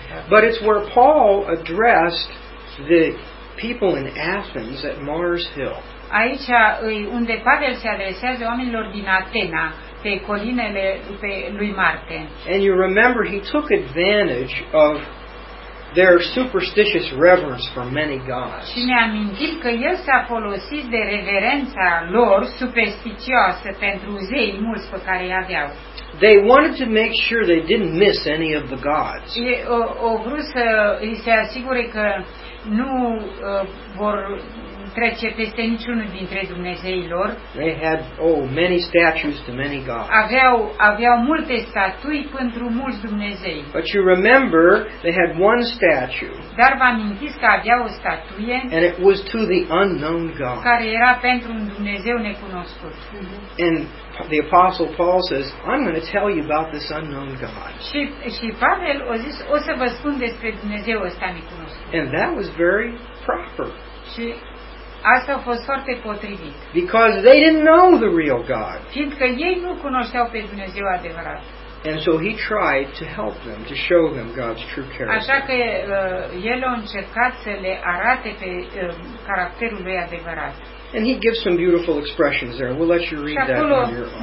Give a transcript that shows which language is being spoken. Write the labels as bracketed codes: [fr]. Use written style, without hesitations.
[en] But it's where Paul addressed the people in Athens at Mars Hill. [ro] Aici e unde Pavel se adresează oamenilor din Atena, pe colinele pe lui Marte. [en] And you remember he took advantage of their superstitious reverence for many gods. [ro] Și ne amintim că el s-a folosit de reverența lor superstițioasă pentru zeii mulți pe care îi aveau. [en] They wanted to make sure they didn't miss any of the gods. [ro] Au vrut să îi se asigure că nu vor trece peste niciunul dintre dumnezeii lor. [en] They had many statues to many gods. [ro] Aveau multe statui pentru mulți dumnezei. [en] But you remember they had one statue. [ro] Dar vă amintiți că aveau o statuie. [en] And it was to the unknown god. [ro] Care era pentru un dumnezeu necunoscut. [en] And the apostle Paul says, I'm going to tell you about this unknown god. [ro] Și Pavel a zis, o să vă spun despre dumnezeu ăsta necunoscut. [en] And that was very proper. [ro] Și asta a fost foarte potrivit. [en] Because they didn't know the real God. [ro] Fiindcă ei nu cunoșteau pe Dumnezeu adevărat. [en] And so he tried to help them, to show them God's true character. [ro] Așa că el a încercat să le arate pe caracterul lui adevărat. [en] And he gives some beautiful expressions there. We'll let you read that on your own.